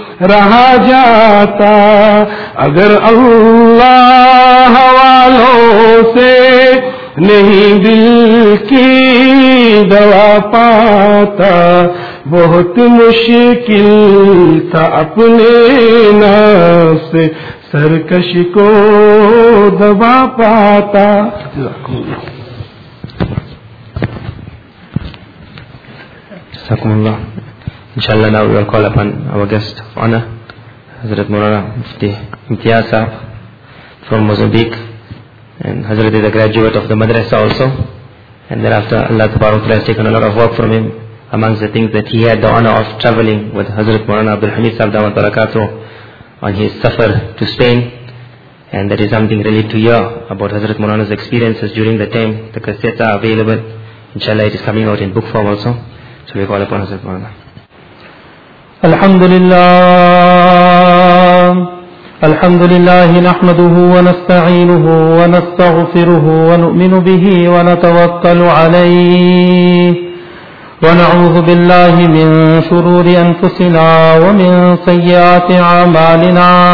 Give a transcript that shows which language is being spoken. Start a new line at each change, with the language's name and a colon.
Urdu: رہا جاتا اگر اللہ والوں سے نہیں دل کی دوا پاتا بہت مشکل تھا اپنے نفس سے سرکش کو دبا پاتا
English: جزاکم اللہ انشاءاللہ now we will call upon our guest of honor Hazrat Maulana Mufti Imtiaz Sahib from Mozambique and Hazrat is a graduate of the madrasa also and thereafter Allah Tabarak has taken a lot of work from him amongst the things that he had the honor of traveling with Hazrat Maulana Abdul Hamid Sahib Dawat Barakatuh on his safar to Spain and that is something really to hear about Hazrat Maulana's experiences during the time the cassettes are available inshallah it is coming out in book form also so we call upon Hazrat Maulana
Arabic: الحمد لله الحمد لله نحمده ونستعينه ونستغفره ونؤمن به ونتوكل عليه ونعوذ بالله من شرور أنفسنا ومن سيئات أعمالنا